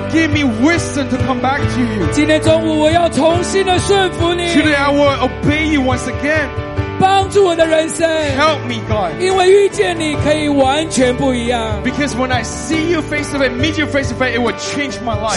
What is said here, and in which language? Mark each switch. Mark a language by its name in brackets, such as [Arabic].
[English] Give me wisdom to come back to you [Chinese] 今天中午我要重新的顺服你 [English] Today I will obey you once again [Chinese] 帮助我的人生 [English] Help me God [Chinese] 因为遇见你可以完全不一样 [English] Because when I see you face to face, meet you face to face, it will change my life